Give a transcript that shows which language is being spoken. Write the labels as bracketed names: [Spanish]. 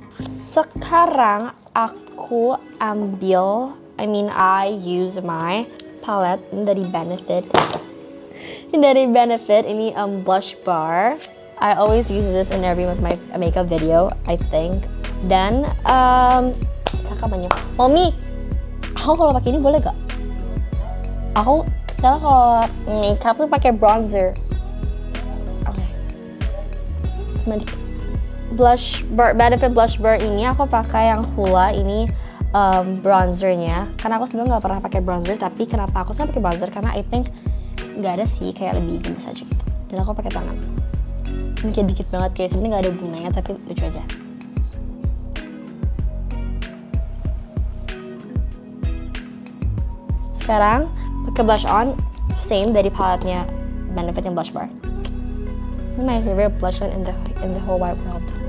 [Indonesian] So, sekarang aku ambil, [English] I use my palette [Indonesian] dari Benefit. Dari Benefit, ini blush bar. [English] I always use this in every of my makeup video, I think. [Indonesian] Dan, cakap banyak. Mommy, aku kalau pakai ini boleh gak? Aku sekarang kalau makeup tuh pakai bronzer. Okay. Blush bar, Benefit blush bar ini aku pakai yang Hoola ini. Bronzernya, karena aku sebenarnya nggak pernah pakai bronzer, tapi kenapa aku sekarang pakai bronzer? Karena [English] I think [Indonesian] nggak ada sih kayak lebih gemes aja gitu. Dan aku pakai tangan, ini kayak dikit banget, kayak sebenarnya nggak ada gunanya, tapi lucu aja. Sekarang pakai blush on, same dari palette-nya Benefit yang blush bar. [English] This is my favorite blush on in the whole wide world.